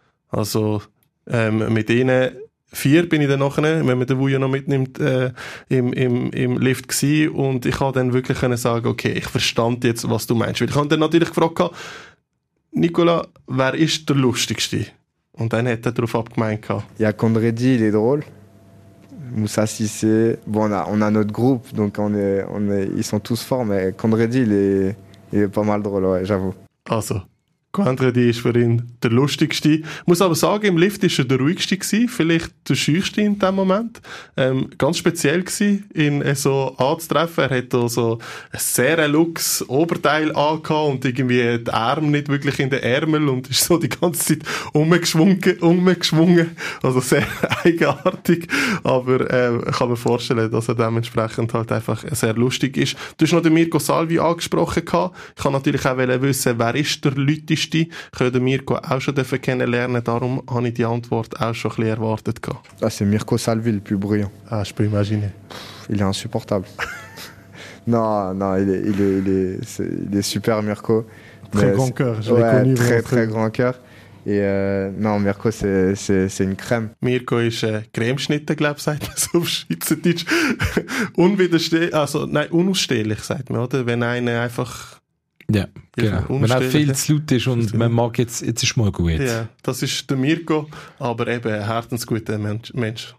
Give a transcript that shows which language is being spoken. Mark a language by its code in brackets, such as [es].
[de] Also mit ihnen vier bin ich dann nachher, wenn man den Vujo noch mitnimmt, im Lift gewesen. Und ich konnte dann wirklich sagen, okay, ich verstand jetzt, was du meinst. Weil ich habe dann natürlich gefragt, Nicola, wer ist der Lustigste? Und dann hat er darauf abgemeint. Ja, [fr] Quandredi, il est drôle. Moussa Sissé, bon, on a notre groupe, donc on est, ils sont tous forts, mais Quandredi, il est pas mal drôle, ouais, j'avoue. Also, Quandredi ist für ihn der Lustigste. Ich muss aber sagen, im Lift war er der Ruhigste gewesen, vielleicht der Schüchste in dem Moment. Ganz speziell gewesen, ihn so anzutreffen. Er hatte so ein sehr luxes Oberteil angehabt und irgendwie die Arme nicht wirklich in den Ärmel und ist so die ganze Zeit umgeschwungen. Also sehr eigenartig. Aber ich kann mir vorstellen, dass er dementsprechend halt einfach sehr lustig ist. Du hast noch den Mirko Salvi angesprochen gehabt. Ich kann natürlich auch wissen, wer ist der Leute, ich konnte Mirko auch schon kennenlernen, darum habe ich die Antwort auch schon ein bisschen erwartet. Ah, c'est Mirko Salvi, le plus bruyant. Ah, je peux imaginer. Il est insupportable. non, il est super, Mirko. Très grand cœur, je l'ai connu. Très, très grand cœur. Et non, Mirko, c'est une crème. [de] Mirko ist Cremeschnitten, glaube ich, sagt man so auf Schweizerdeutsch. Unausstehlich, sagt man, oder? Wenn einer einfach... Ja, genau. Wenn auch viel zu laut ist und man mag jetzt ist mal gut. Ja, das ist der Mirko, aber eben ein herzensguter Mensch.